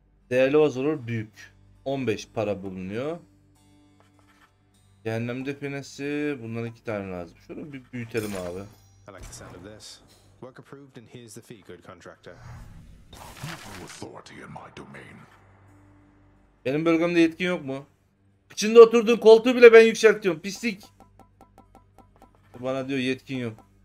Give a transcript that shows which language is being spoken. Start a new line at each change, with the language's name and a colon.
Turkish: Değerli vazolar büyük. 15 para bulunuyor. Cehennem definesi. Bunların iki tane lazım. Şunu bir büyütelim abi.
English: I like the sound of this. Work approved and here's the fee, good contractor. Authority in my domain.
Turkish: Benim bölgemde yetkin yok mu? İçinde oturduğun koltuğu bile ben yükseltiyorum. Pislik. Bana diyor yetkin yok.